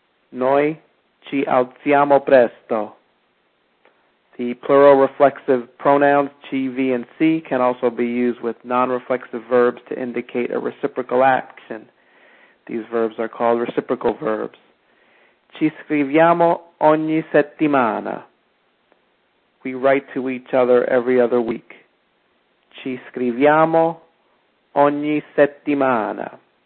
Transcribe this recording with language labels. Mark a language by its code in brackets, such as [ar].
[it] Noi ci alziamo presto. [en] The plural reflexive pronouns ci, vi, and si can also be used with non-reflexive verbs to indicate a reciprocal action. These verbs are called reciprocal verbs. [it] Ci scriviamo ogni settimana. [en] We write to each other every other week. [it] Ci scriviamo ogni settimana.